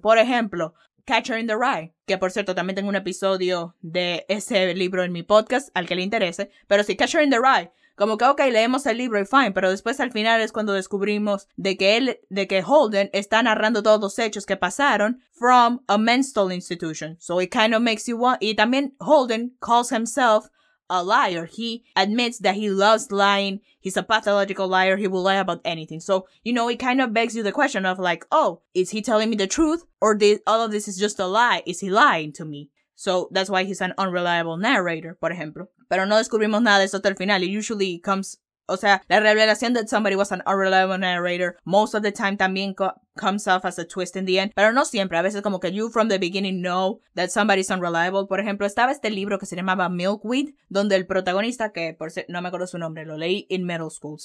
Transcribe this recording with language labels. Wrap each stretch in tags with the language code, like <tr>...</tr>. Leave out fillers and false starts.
<es>Por ejemplo, Catcher in the Rye, que por cierto también tengo un episodio de ese libro en mi podcast, al que le interese. Pero sí, Catcher in the Rye, como que okay, leemos el libro y fine, pero después al final es cuando descubrimos de que Holden está narrando todos los hechos que pasaron</es> <en>from a mental institution. So it kind of makes you want,</en> <es>y también Holden</es> <en>calls himself a liar. He admits that he loves lying. He's a pathological liar. He will lie about anything. So, you know, it kind of begs you the question of like, oh, is he telling me the truth? Or all of this is just a lie? Is he lying to me? So that's why he's an unreliable narrator,</en> <es>por ejemplo. Pero no descubrimos nada de eso hasta el final.</es> <en>It usually comes,</en> <es>o sea, la revelación</es> <en>that somebody was an unreliable narrator most of the time</en> <es>también</es> <en>comes off as a twist in the end.</en> <es>Pero no siempre. A veces como que</es> <en>you from the beginning know that somebody's unreliable.</en> <es>Por ejemplo, estaba este libro que se llamaba Milkweed, donde el protagonista, que por ser, no me acuerdo su nombre, lo leí</es> <en>in middle school.</en>